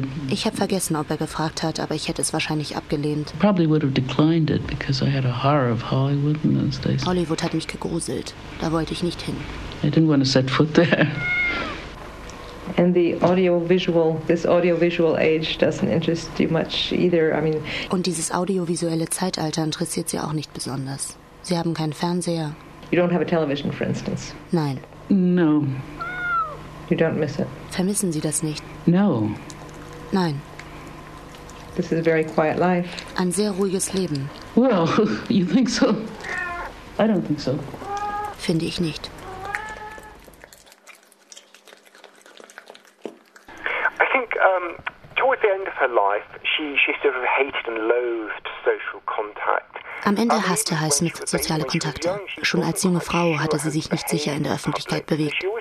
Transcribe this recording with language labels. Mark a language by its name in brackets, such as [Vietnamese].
[German] ich habe vergessen, ob er gefragt hat, aber ich hätte es wahrscheinlich abgelehnt. [English] Probably would have declined it because I had a horror of Hollywood in those days. [German] Hollywood hat mich gegruselt. Da wollte ich nicht hin. [English] I didn't want to set foot there. And the audiovisual, this audiovisual age doesn't interest you much either. I mean. [German] Und dieses audiovisuelle Zeitalter interessiert sie auch nicht besonders. Sie haben keinen Fernseher. [English] You don't have a television, for instance. [German] Nein. [English] No. You don't miss it. [German] Vermissen Sie das nicht? [English] No. [German] Nein. [English] This is a very quiet life. [German] Ein sehr ruhiges Leben. [English] Well, you think so? I don't think so. [German] Finde ich nicht. [English] I think toward the end of her life, she sort of hated and loathed social contact. [German] Am Ende hasste Highsmith soziale Kontakte. Schon als junge Frau hatte sie sich nicht sicher in der Öffentlichkeit bewegt.